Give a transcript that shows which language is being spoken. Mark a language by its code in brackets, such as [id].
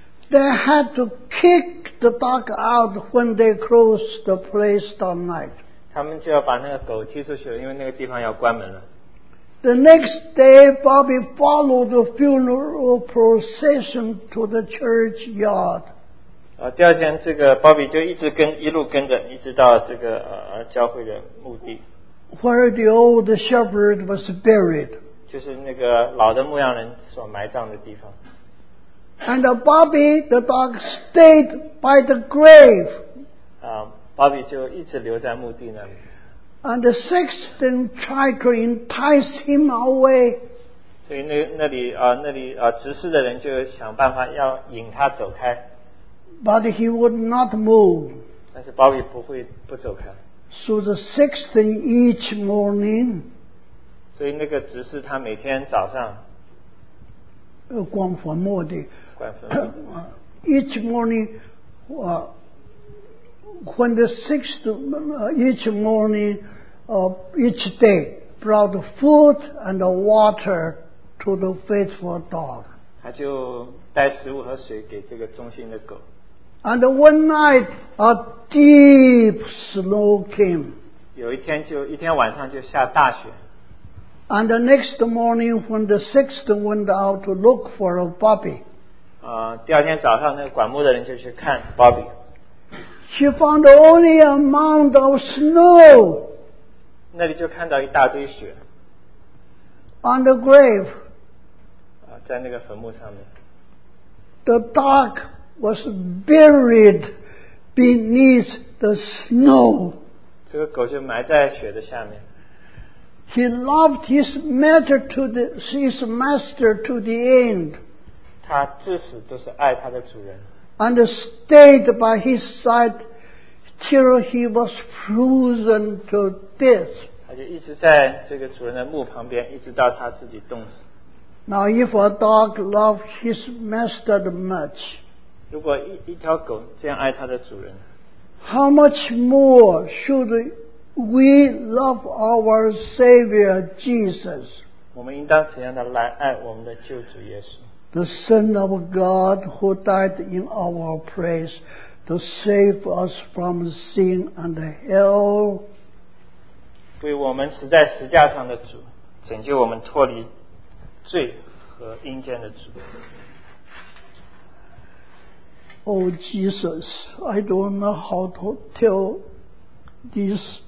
[en] They had to kick the dog out when they closed the place that night. [zh] 他们就要把那个狗踢出去了，因为那个地方要关门了。 [en] The next day, Bobby followed the funeral procession to the churchyard. [zh] 第二天，这个 Bobby 就一路跟着，一直到这个教会的墓地。 [en] Where the old shepherd was buried. [zh] 就是那个老的牧羊人所埋葬的地方。 [en] And Bobby, the dog, stayed by the grave. [zh] Bobby 就一直留在墓地那里。 [en] And the sexton tried to entice him away. [zh] 所以那里执事的人就想办法要引他走开。 [en] But he would not move. [zh] 但是 Bobby 不走开。 [en] So the sexton each morning. [zh] 所以那个执事他每天早上。 [en] Each morning, when the sixth, each morning, each day, brought food and water to the faithful dog. [zh] 他就带食物和水给这个忠心的狗。 [en] And one night, a deep snow came. [zh] 有一天就一天晚上就下大雪。 [en] And the next morning, when the sixth went out to look for a Bobby, [zh] 第二天早上，那个管牧的人就去看 Bobby. [en] She found only a mound of snow. [zh] 那里就看到一大堆雪。 [en] On the grave, [zh] 在那个坟墓上面。 [en] The dog was buried beneath the snow. [zh] 这个狗就埋在雪的下面。 [en] He loved his master to the end. [zh] 他至死都是爱他的主人。 [en] And stayed by his side till he was frozen to death. [zh] 他就一直在这个主人的墓旁边，一直到他自己冻死。 [en] Now, if a dog loved his master much, [zh] 如果一条狗这样爱他的主人， [en] how much more should We love our Savior Jesus. [zh] 我们应当怎样的来爱我们的救主耶稣？ [en] The Son of God who died in our place to save us from sin and hell. [zh] 为我们死在十架上的主，拯救我们脱离罪和阴间的主。 [en] Oh Jesus, I don't know how to tell this.